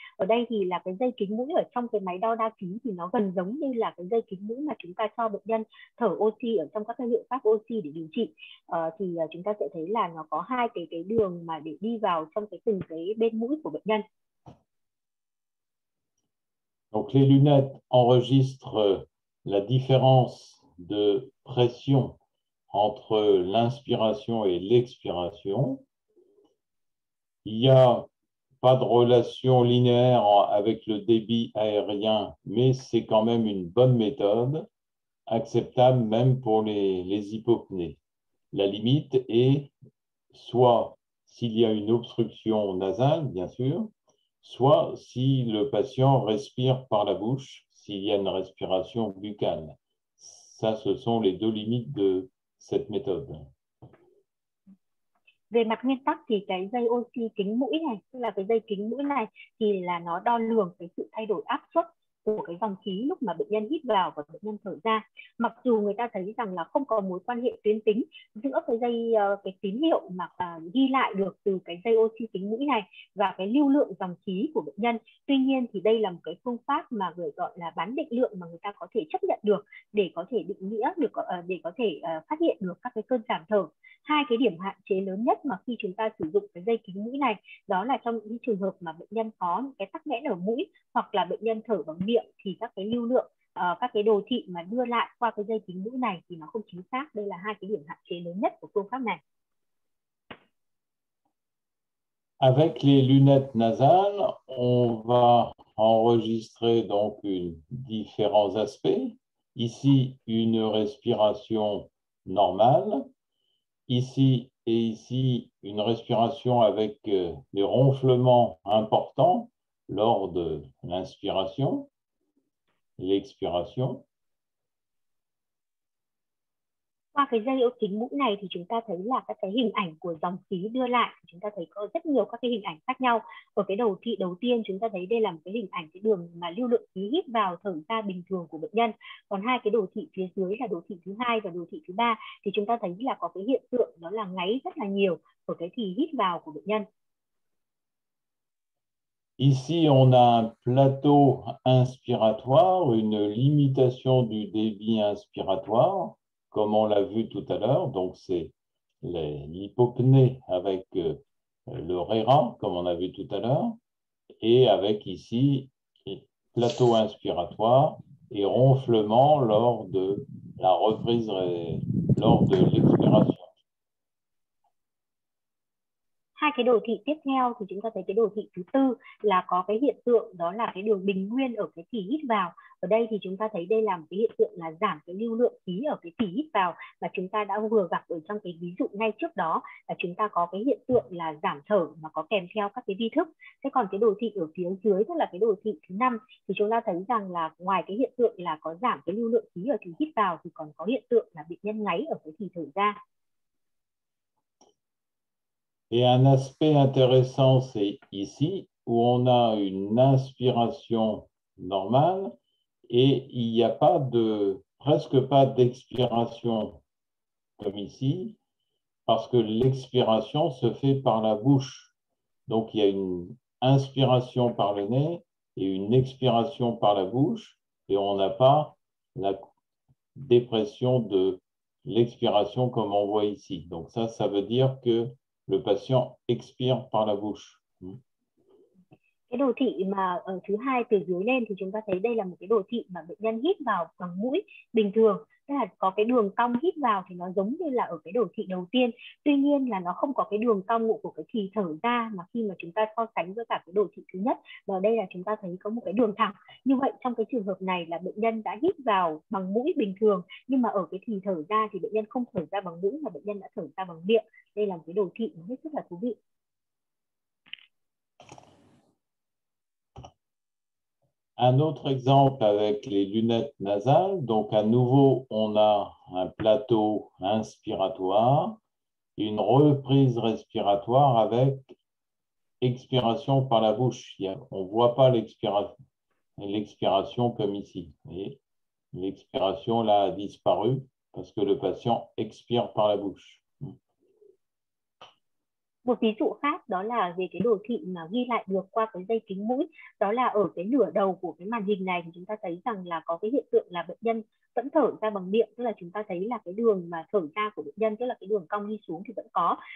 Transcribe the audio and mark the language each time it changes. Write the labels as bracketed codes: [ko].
[vi] Ở đây thì là cái dây kính mũi ở trong cái máy đo đa khí thì nó gần giống như là cái dây kính mũi mà chúng ta cho bệnh nhân thở oxy ở trong các cái liệu pháp oxy để điều trị. Thì chúng ta sẽ thấy là nó có hai cái đường mà để đi vào trong cái từng cái bên mũi của bệnh nhân. [fr] Donc les lunettes enregistrent la différence de pression entre l'inspiration et l'expiration. Il n'y a pas de relation linéaire avec le débit aérien, mais c'est quand même une bonne méthode, acceptable même pour les hypopnées. La limite est soit s'il y a une obstruction nasale, bien sûr, soit si le patient respire par la bouche, s'il y a une respiration buccale. Ça, ce sont les deux limites de cette méthode. [vi] Về mặt nguyên tắc thì cái dây oxy kính mũi này, tức là cái dây kính mũi này thì là nó đo lường cái sự thay đổi áp suất của cái dòng khí lúc mà bệnh nhân hít vào và bệnh nhân thở ra. Mặc dù người ta thấy rằng là không có mối quan hệ tuyến tính giữa cái dây cái tín hiệu mà ghi lại được từ cái dây oxy kính mũi này và cái lưu lượng dòng khí của bệnh nhân. Tuy nhiên thì đây là một cái phương pháp mà người gọi là bán định lượng mà người ta có thể chấp nhận được để có thể định nghĩa được, để có thể phát hiện được các cái cơn giảm thở. Hai cái điểm hạn chế lớn nhất mà khi chúng ta sử dụng cái dây kính mũi này đó là trong những trường hợp mà bệnh nhân có những cái tắc nghẽn ở mũi hoặc là bệnh nhân thở bằng miệng thì các cái lưu lượng, các cái đồ thị mà đưa lại qua cái dây kính mũi này thì nó không chính xác. Đây là hai cái điểm hạn chế lớn nhất của phương pháp này. [fr] Avec les lunettes nasales, on va enregistrer donc une différents aspects. Ici, une respiration normale. Ici et ici, une respiration avec des ronflements importants lors de l'inspiration, l'expiration. [vi] Qua cái dây ống kính mũi này thì chúng ta thấy là các cái hình ảnh của dòng khí đưa lại, chúng ta thấy có rất nhiều các cái hình ảnh khác nhau. Ở cái đầu thị đầu tiên chúng ta thấy đây là một cái hình ảnh cái đường mà lưu lượng khí hít vào thở ra bình thường của bệnh nhân. Còn hai cái đồ thị phía dưới là đồ thị thứ hai và đồ thị thứ ba thì chúng ta thấy là có cái hiện tượng đó là ngáy rất là nhiều ở cái thì hít vào của bệnh nhân. [fr] Ici, on a un plateau inspiratoire, une limitation du débit inspiratoire, comme on l'a vu tout à l'heure. Donc, c'est l'hypopnée avec le RERA, comme on a vu tout à l'heure, et avec ici, plateau inspiratoire et ronflement lors de la reprise, lors de l'expiration. [vi] Hai cái đồ thị tiếp theo thì chúng ta thấy cái đồ thị thứ tư là có cái hiện tượng đó là cái đường bình nguyên ở cái thì hít vào. Ở đây thì chúng ta thấy đây là một cái hiện tượng là giảm cái lưu lượng khí ở cái thì hít vào mà chúng ta đã vừa gặp ở trong cái ví dụ ngay trước đó, là chúng ta có cái hiện tượng là giảm thở mà có kèm theo các cái vi thức. Thế còn cái đồ thị ở phía dưới tức là cái đồ thị thứ năm thì chúng ta thấy rằng là ngoài cái hiện tượng là có giảm cái lưu lượng khí ở thì hít vào thì còn có hiện tượng là bệnh nhân ngáy ở cái thì thở ra. [fr] Et un aspect intéressant, c'est ici où on a une inspiration normale et il n'y a pas de, presque pas d'expiration comme ici, parce que l'expiration se fait par la bouche. Donc il y a une inspiration par le nez et une expiration par la bouche et on n'a pas la dépression de l'expiration comme on voit ici. Donc ça, ça veut dire que le patient expire par la bouche. [vi] Cái đồ thị mà ở thứ hai từ dưới lên thì chúng ta thấy đây là một cái đồ thị mà bệnh nhân hít vào bằng mũi bình thường, tức là có cái đường cong hít vào thì nó giống như là ở cái đồ thị đầu tiên, tuy nhiên là nó không có cái đường cong của cái thì thở ra mà khi mà chúng ta so sánh với cả cái đồ thị thứ nhất, và đây là chúng ta thấy có một cái đường thẳng. Như vậy trong cái trường hợp này là bệnh nhân đã hít vào bằng mũi bình thường, nhưng mà ở cái thì thở ra thì bệnh nhân không thở ra bằng mũi mà bệnh nhân đã thở ra bằng miệng. Đây là một cái đồ thị rất là thú vị. [fr] Un autre exemple avec les lunettes nasales. Donc, à nouveau, on a un plateau inspiratoire, une reprise respiratoire avec expiration par la bouche. On ne voit pas l'expiration comme ici. Et l'expiration, là, a disparu parce que le patient expire par la bouche. [vi] Một ví dụ khác đó là về cái đồ thị mà ghi lại được qua cái dây kính mũi, đó là ở cái nửa đầu của cái màn hình này thì chúng ta thấy rằng là có cái hiện tượng là bệnh nhân vẫn thở ra bằng miệng, tức là chúng ta thấy là cái đường mà thở ra của bệnh nhân, tức là cái đường cong đi xuống thì vẫn có.